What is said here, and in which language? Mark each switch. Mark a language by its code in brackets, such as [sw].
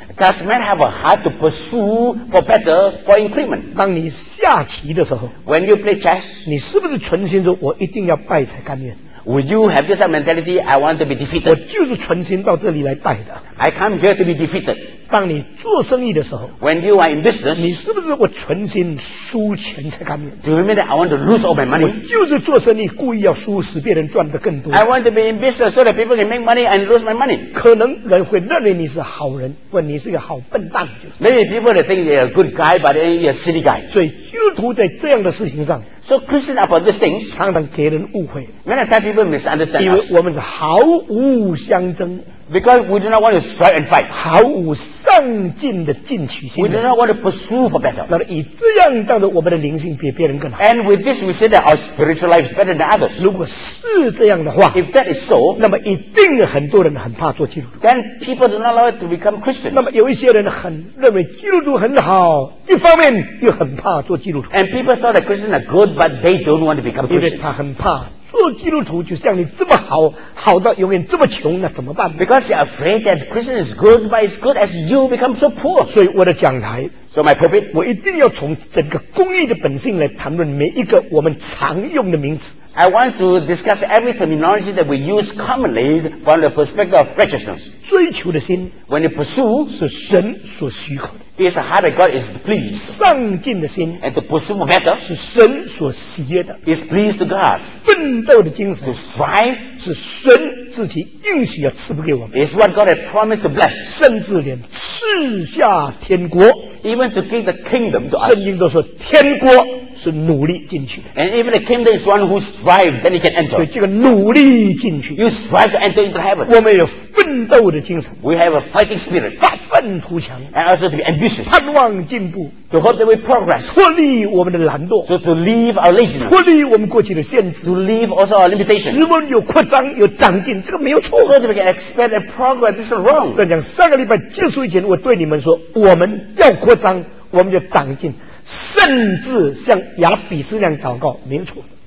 [en] Does man have a heart to pursue for better, for increment? [zh] 当你下棋的时候， [en] When you play chess, [zh] 你是不是存心说我一定要败才甘愿？ [en] Would you have this mentality, I want to be defeated? [zh] 我就是存心到这里来败的。 [en] I come here to be defeated. [zh] 当你做生意的时候， [en] When you are in business, [zh] 你是不是我存心输钱才甘愿？ [en] Do you mean that I want to lose all my money? [zh] 我就是做生意故意要输使别人赚得更多。 [en] I want to be in business so that people can make money and lose my money. [zh] 可能人会认为你是好人，或你是个好笨蛋，就是。 [en] Maybe people that think you're a good guy, but then you're a silly guy. [zh] 所以基督徒在这样的事情上， [en] So Christian about these things, [zh] 常常给人误会。 [en] Many times people misunderstand us. [zh] 因为我们是毫无相争。 [en] Because we do not want to strive and fight. [zh] 毫无上进的进取心。 [en] We do not want to pursue for better. [zh] 那么以这样当作我们的灵性比别人更好。 [en] And with this we say that our spiritual life is better than others. [zh] 如果是这样的话， [en] If that is so, [zh] 那么一定很多人很怕做基督徒。 [en] Then people do not like to become Christians. [zh] 那么有一些人很认为基督徒很好，一方面又很怕做基督徒。 [en] And people thought that Christians are good, but they don't want to become Christians. [zh] 因为他很怕做基督徒就像你这么好，好到永远这么穷，那怎么办呢？ [en] Because you're afraid that Christian is good, but as good as you become so poor. [zh] 所以我的讲台 [en] ，So my pulpit， [zh] 我一定要从整个公义的本性来谈论每一个我们常用的名词。 [en] I want to discuss every terminology that we use commonly from the perspective of righteousness. [zh] 追求的心 [en] ，When you pursue， [zh] 是神所许可的。 [en] It's a heart that God is pleased. [zh] 上进的心 [en] ，And to pursue better， [zh] 是神所喜悦的。 [en] It's pleased to God. [zh] 奋斗的精神 [en] ，To strive， [zh] 是神自己应许要赐福给我们。 [en] It's what God had promised to bless. [zh] 甚至连赐下天国 [en] ，Even to give the kingdom to us. [zh] 圣经都说天国是努力进去的。 [en] And even the kingdom is one who strives, then he can enter. [zh] 所以这个努力进去 [en] ，You strive to enter into heaven. [zh] 我们有奋斗的精神 [en] ，We have a fighting spirit. [zh] 发奋图强 [en] ，And also to be ambitious. [zh] 盼望进步 [en] ，To hope that we progress. [zh] 脱离我们的懒惰 [en] ，So to leave our laziness. [zh] 脱离我们过去的限制 [en] ，To leave also our limitations. [zh] 使我们有扩张，有长进，这个没有错。 [en] So that we can expand and progress, this is wrong. [zh] 这样，上个礼拜结束以前，我对你们说，我们要扩张，我们就长进。甚至像亚比斯那样祷告，没错。